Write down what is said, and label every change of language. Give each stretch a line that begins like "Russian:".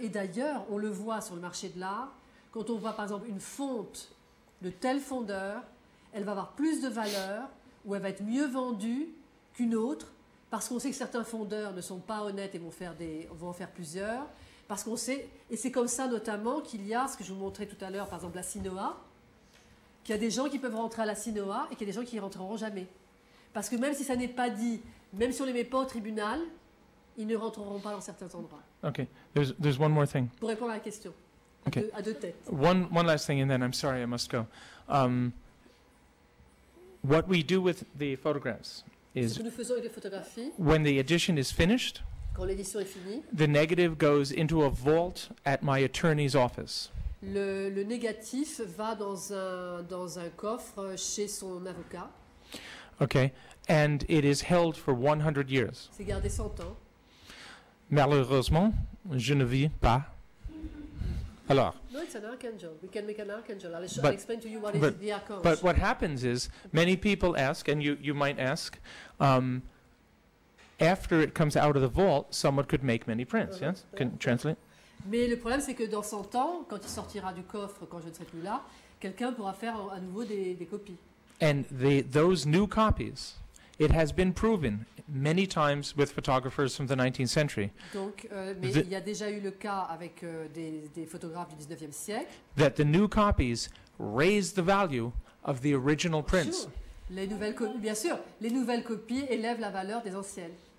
French: Et d'ailleurs, on le voit sur le marché de l'art, quand on voit par exemple une fonte de tel fondeur, elle va avoir plus de valeur ou elle va être mieux vendue qu'une autre, parce qu'on sait que certains fondeurs ne sont pas honnêtes et vont en faire plusieurs, parce qu'on sait, et c'est comme ça notamment qu'il y a, ce que je vous montrais tout à l'heure, par exemple la Sinoa, qu'il y a des gens qui peuvent rentrer à la Sinoa et qu'il y a des gens qui n'y rentreront jamais. Parce que même si ça n'est pas dit, même si on ne les met pas au tribunal, ils ne rentreront pas dans certains endroits.
English: Ok, there's one more thing.
French: Pour répondre à la question,
English: okay.
French: À deux têtes.
English: One last thing and then I'm sorry, I must go. What we do with the photographs is when the edition is finished,
French: quand l'édition est finie,
English: the negative goes into a vault at my attorney's office.
French: Le négatif va dans un coffre chez son avocat.
English: Okay, and it is held for 100 years.
French: C'est gardé 100 ans. Malheureusement, je ne vis pas. Alors,
English: no, it's an archangel. We can make an archangel. I'll explain to you what is the archangel. But what happens is, many people ask, and you might ask, after it comes out of the vault, someone could make many prints. Uh-huh. Yes? Can you translate?
French: Mais le problème, c'est que dans 100 ans, quand il sortira du coffre, quand je ne serai plus là, quelqu'un pourra faire à nouveau des copies.
English: And those new copies, it has been proven many times with photographers from the 19th century.
French: Donc, mais il y a déjà eu le cas avec des photographes du 19e siècle.
English: That the new copies raise the value of the original prints. Sure.
French: Les nouvelles copies, bien sûr, les nouvelles copies élèvent la valeur des anciennes.